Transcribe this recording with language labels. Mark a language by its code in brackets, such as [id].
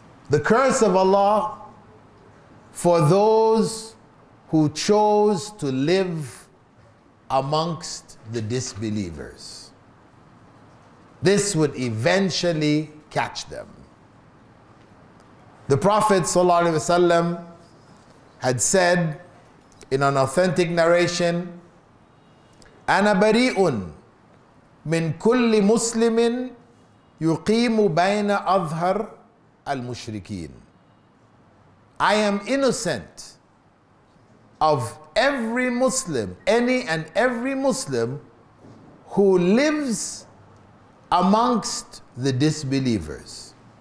[en] The curse of Allah for those who chose to live amongst the disbelievers. This would eventually catch them. The Prophet ﷺ had said in an authentic narration, [ar] أَنَا بَرِيءٌ مِنْ كُلِّ مُسْلِمٍ يُقِيمُ بَيْنَ أَظْهَرَ الْمُشْرِكِينَ. [en] I am innocent of every Muslim, any and every Muslim who lives amongst the disbelievers.